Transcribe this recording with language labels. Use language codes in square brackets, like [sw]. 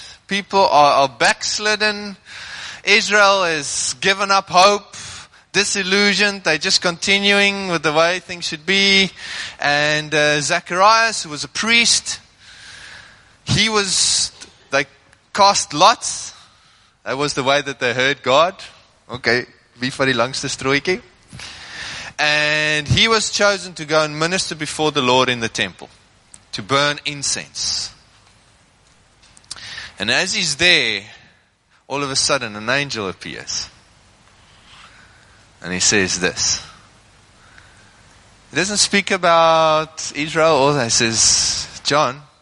[en] People are backslidden. Israel has given up hope. Disillusioned, they're just continuing with the way things should be. And Zacharias, who was a priest, he was, they cast lots. That was the way that they heard God. [af] Okay, wie vir die langste strooitjie. [en] And he was chosen to go and minister before the Lord in the temple, to burn incense. And as he's there, all of a sudden an angel appears. And he says this. He doesn't speak about Israel. He says, John,